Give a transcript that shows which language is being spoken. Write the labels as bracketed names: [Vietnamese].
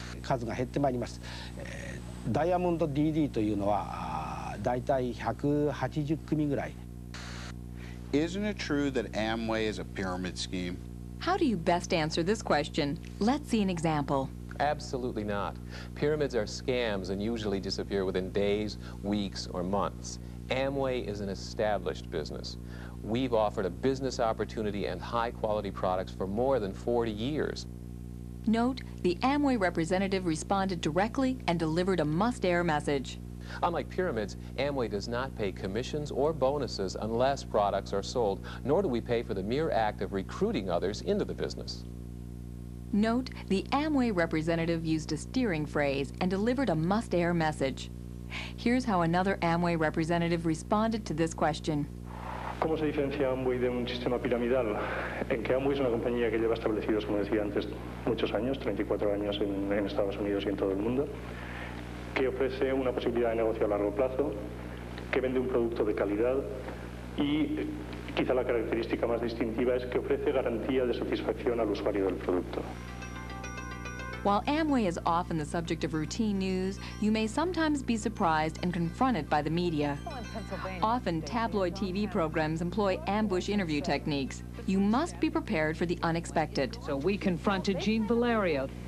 [Japanese] 数が減ってまいります。ダイヤモンド DD というのは、大体180組ぐらい。 [English] Isn't it true that Amway is a pyramid scheme? How do you best answer this question? Let's see an example. Absolutely not. Pyramids are scams and usually disappear within days, weeks, or months. Amway is an established business. We've offered a business opportunity and high-quality products for more than 40 years. Note, the Amway representative responded directly and delivered a must-air message. Unlike pyramids, Amway does not pay commissions or bonuses unless products are sold, nor do we pay for the mere act of recruiting others into the business. Note, the Amway representative used a steering phrase and delivered a must-air message. Here's how another Amway representative responded to this question. [Spanish] ¿Cómo se diferencia Amway de un sistema piramidal? En que Amway es una compañía que lleva establecidos, como decía antes, muchos años, 34 años en Estados Unidos y en todo el mundo. que ofrece una posibilidad de negocio a largo plazo, que vende un producto de calidad y quizá la característica más distintiva es que ofrece garantía de satisfacción al usuario del producto. [English] While Amway is often the subject of routine news, you may sometimes be surprised and confronted by the media. Often, tabloid TV programs employ ambush interview techniques. You must be prepared for the unexpected. So we confronted Jean Valerio.